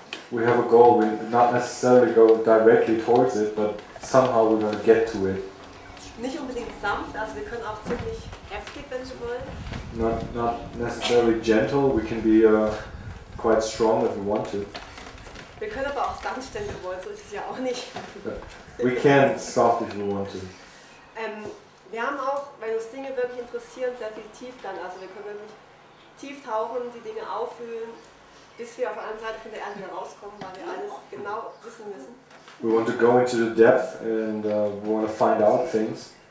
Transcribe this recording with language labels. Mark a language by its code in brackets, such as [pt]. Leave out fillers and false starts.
[en] We have a goal, we not necessarily go directly towards it, but somehow we're going to get to it. [de] Nicht unbedingt sanft, also wir können auch ziemlich heftig, wenn wir wollen. [en] Not necessarily gentle, we can be quite strong if we want to. [de] Wir können aber auch sanft, wenn wir wollen, so ist es ja auch nicht. [en] We can soft if we want to. [de] Wir haben auch, wenn uns Dinge wirklich interessieren, sehr viel tief dann, also wir können wirklich tief tauchen, die Dinge auffüllen, bis wir auf der anderen Seite von der Erde rauskommen, weil wir alles genau wissen müssen. [en] We want to go into the depth and we want to find out things.